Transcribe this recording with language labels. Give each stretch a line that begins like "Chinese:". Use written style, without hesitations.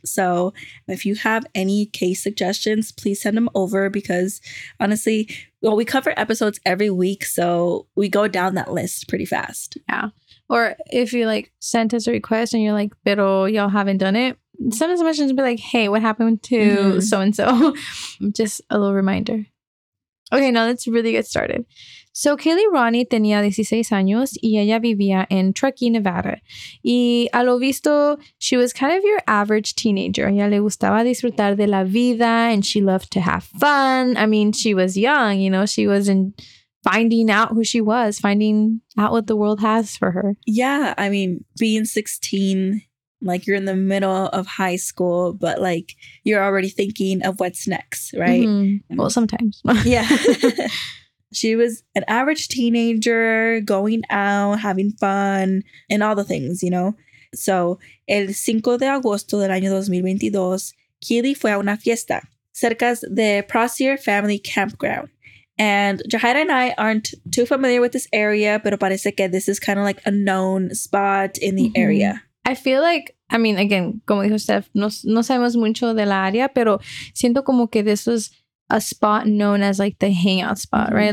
English: So if you have any case suggestions, please send them over because honestly, well, we cover episodes every week. So we go down that list pretty fast. Yeah. Or if you like sent us a request and you're like, pero y'all haven't done it, send us a message and be like, hey, what happened to so-and-so? Just a little reminder. Okay, now let's really get started.
Spanish: So Kaylee Ronnie tenía 16 años y ella vivía en Truckee, Nevada. Y a lo visto,
English: she was kind of your average teenager.
Spanish: Ella le gustaba disfrutar de la vida
English: and she loved to have fun. I mean, she was young, you know, she was in... finding out who she was, finding out what the world has for her. Yeah, I mean, being 16, like you're in the middle of high school, but like you're already thinking of what's next, right? Mm-hmm. Well, sometimes. Yeah. She was an average teenager going out, having fun and all the things, you know?
Spanish: So, el 5 de agosto del año 2022, Kaylee fue a una fiesta cerca de Prosser Family Campground.
English: And Jahaira and I aren't too familiar with this area,
Spanish: pero parece que
English: this is kind of like a known spot in the area. I feel like, I mean, again,
Spanish: como dijo Steph, no sabemos mucho de la área, pero siento como que
English: this was a spot known as like the hangout spot, right?